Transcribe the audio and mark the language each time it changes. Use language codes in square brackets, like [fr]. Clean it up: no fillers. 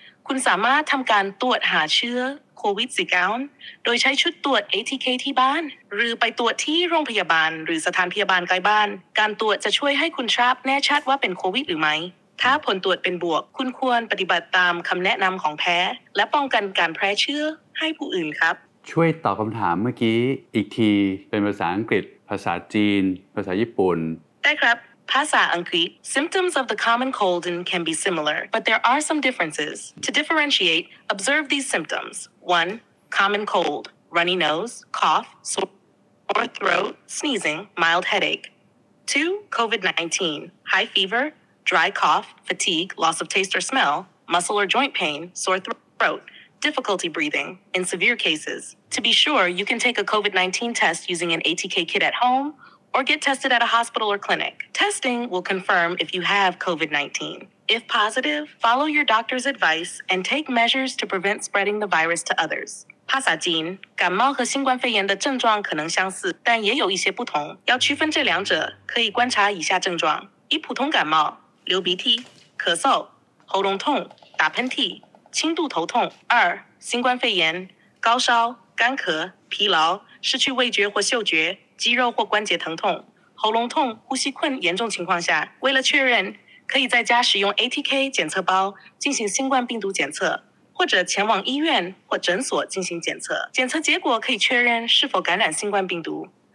[th] คุณสามารถทำการตรวจหาเชื้อโควิด19โดยใช้ชุดตรวจ ATK ที่บ้านหรือไปตรวจที่โรงพยาบาลหรือสถานพยาบาลใกล้บ้านการตรวจจะช่วยให้คุณทราบแน่ชัดว่าเป็นโควิดหรือไม่ถ้าผลตรวจเป็นบวกคุณควรปฏิบัติตามคำแนะนำของแพทย์และป้องกันการแพร่เชื้อให้ผู้อื่นครับ ช่วยตอบคำถามเมื่อกี้อีกทีเป็นภาษาอังกฤษภาษาจีนภาษาญี่ปุ่น ได้ครับภาษาอังกฤษ [en] Symptoms of the common cold can be similar, but there are some differences. To differentiate, observe these symptoms. 1. Common cold, runny nose, cough, sore throat, sneezing, mild headache. 2. COVID-19, high fever, dry cough, fatigue, loss of taste or smell, muscle or joint pain, sore throat, difficulty breathing, in severe cases. To be sure, you can take a COVID-19 test using an ATK kit at homeOr get tested at a hospital or clinic. Testing will confirm if you have COVID-19. If positive, follow your doctor's advice and take measures to prevent spreading the virus to others. [zh] 帕萨金感冒和新冠肺炎的症状可能相似，但也有一些不同。要区分这两者，可以观察以下症状：一、普通感冒，流鼻涕、咳嗽、喉咙痛打喷嚏轻度头痛二新冠肺炎高烧干咳疲劳失去味觉或嗅觉肌肉或关节疼痛喉咙痛呼吸困严重情况下为了确认可以在家使用 ATK 检测包进行新冠病毒检测或者前往医院或诊所进行检测检测结果可以确认是否感染新冠病毒